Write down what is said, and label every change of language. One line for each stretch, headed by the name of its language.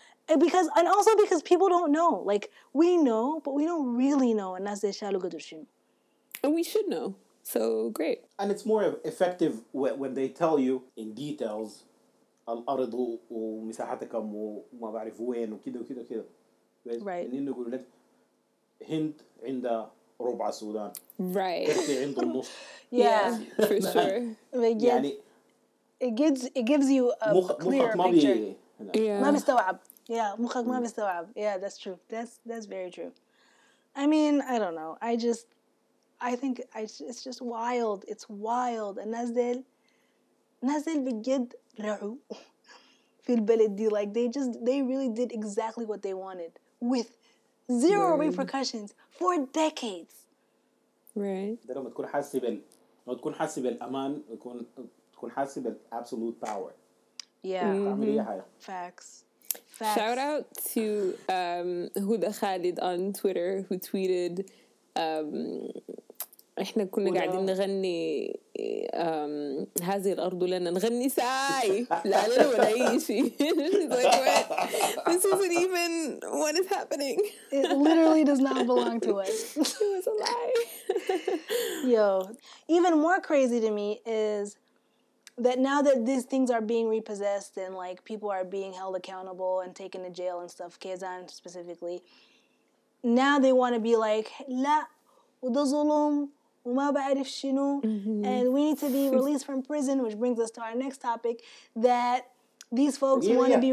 English: And also because people don't know. Like, we know, but we don't really know. And we should know. So, great. And it's more effective when they tell you in details,
Arabic: الأرض ومساحتكم وما بعرف وين وكده وكده
English: وكده. Right.
Arabic: إنه يقولوا لك هند عند ربع السودان.
English: Right.
Arabic: هند عند النص.
English: Yeah, for sure. يعني it gives you a clear picture.
Arabic: Yeah. ما بيستوعب. Yeah, مخك ما بيستوعب.
English: Yeah, that's true. That's very true. I mean, I don't know. I think it's just wild. It's wild.
Arabic: نازل بجد رعو في البلد دي.
English: Like, they really did exactly what they wanted with zero repercussions for decades. Right.
Arabic: لما تكون حاسس بالأمان, تكون حاسس بالabsolute power.
English: Yeah. Facts. Shout out to Huda Khalid on Twitter, who tweeted,
Arabic: احنا كنا قاعدين نغني هذه الارض لنا نغني ساي لا لا ولا اي شيء.
English: This isn't even what is happening. It literally does not belong to us. It was a lie. Yo, even more crazy to me is that now that these things are being repossessed and, like, people are being held accountable and taken to jail and stuff, Kezan specifically, now they want to be like,
Arabic: لا وده ظلم وما بعرف شنو,
English: and we need to be released from prison, which brings us to our next topic, that these folks want to be